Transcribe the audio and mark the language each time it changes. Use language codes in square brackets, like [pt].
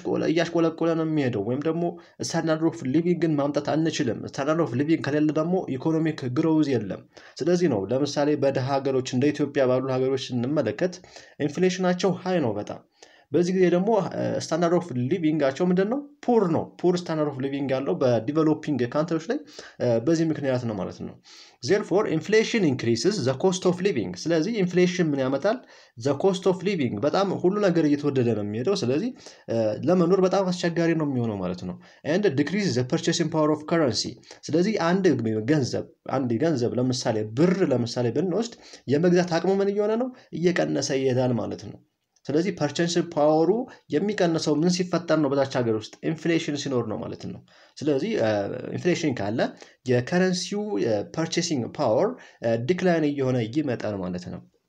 [am] እያሽቆለቆለ ነው የሚሄደው ወይም ደግሞ standard of living ግን ማምጣት አንችልም standard of living ከሌለ ደግሞ economic growth የለም ስለዚህ ነው ለምሳሌ በደሃ ሀገሮች እንደ ኢትዮጵያ ባሉ ሀገሮች እንመለከት inflationአቸው high ነው በጣም በዚህ ጊዜ ደግሞ standard of livingአቸው ምንድነው poor ነው poor standard of living ያለው በdeveloping countries ላይ በዚህ ምክንያት ነው ማለት ነው [en] Therefore inflation increases the cost of living. [am] ስለዚህ inflation ምን ያመጣል? [en] The cost of living [am] በጣም ሁሉ ነገር እየተወደደ ነው የሚሄደው ስለዚህ ለመኖር በጣም አስቸጋሪ ነው የሚሆነው ማለት ነው. [en] And decreases the purchasing power of currency. [am] ስለዚህ አንድ ገንዘብ ለምሳሌ ብር ለምሳሌ ብንወስድ የመግዛት አቅሙ ምን እየሆነ ነው? እየቀነሰ ይሄዳል ማለት ነው. ስለዚህ purchasing powerው የሚቀንሰው ምን ሲፈጠር ነው በታች ሀገር ውስጥ inflation ሲኖር ነው ማለት ነው ስለዚህ inflation ካለ የcurrency purchasing power decline እየሆነ ይመጣል ማለት ነው